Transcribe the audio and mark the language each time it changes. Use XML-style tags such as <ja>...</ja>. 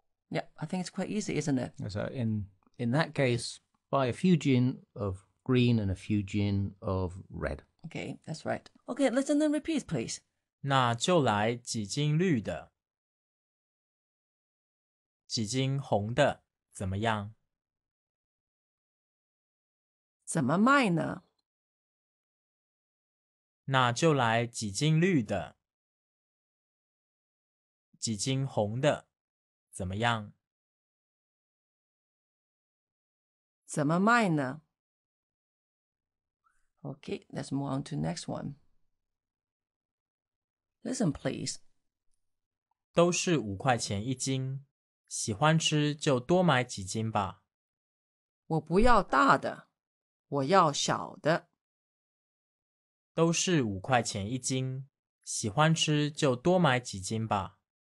<en>Yeah, I think it's quite easy, isn't it? So, in that case, buy a few 斤 of green and a few 斤 of red. Okay, that's right. Okay, listen and repeat, please.</en> <zh>那就来几斤绿的，几斤红的，怎么样？怎么卖呢？那就来几斤绿的，几斤红的，怎么样？怎么卖呢？</zh> <en>Okay, let's move on to the next one. Listen, please.</en> <zh>都是五块钱一斤，喜欢吃就多买几斤吧。我不要大的，我要小的。都是五块钱一斤，喜欢吃就多买几斤吧。</zh>